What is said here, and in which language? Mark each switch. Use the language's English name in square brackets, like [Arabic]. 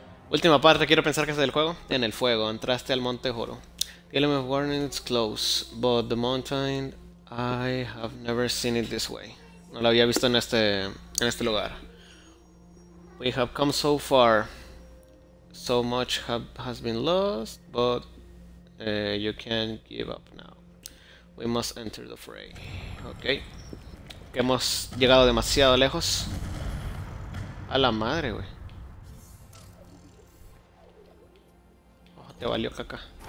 [Spanish] Última parte, quiero pensar que es del juego. En el fuego, entraste al monte Joro. [English] The element of warning is close, but the mountain, I have never seen it this way. [Spanish] No lo había visto en este lugar. [English] We have come so far. So much has been lost, but you can't give up now. We must enter the fray. Ok. [Spanish] Que hemos llegado demasiado lejos. A la madre, güey. Oh, te valió caca.